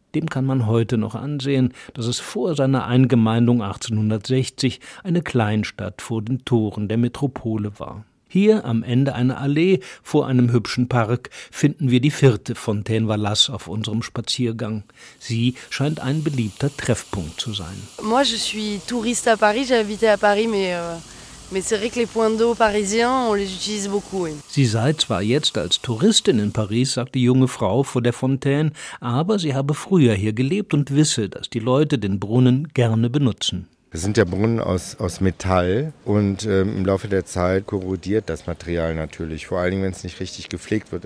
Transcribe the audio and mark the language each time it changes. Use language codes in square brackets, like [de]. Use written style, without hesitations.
[de] Dem kann man heute noch ansehen, dass es vor seiner Eingemeindung 1860 eine Kleinstadt vor den Toren der Metropole war. Hier am Ende einer Allee vor einem hübschen Park finden wir die vierte Fontaine Wallace auf unserem Spaziergang. Sie scheint ein beliebter Treffpunkt zu sein. [fr] Moi, je suis touriste à Paris, j'ai habité à Paris, mais c'est vrai que les points d'eau parisiens, on les utilise beaucoup. Oui. [de] Sie sei zwar jetzt als Touristin in Paris, sagt die junge Frau vor der Fontaine, aber sie habe früher hier gelebt und wisse, dass die Leute den Brunnen gerne benutzen. Das sind ja Brunnen aus Metall und im Laufe der Zeit korrodiert das Material natürlich, vor allen Dingen, wenn es nicht richtig gepflegt wird.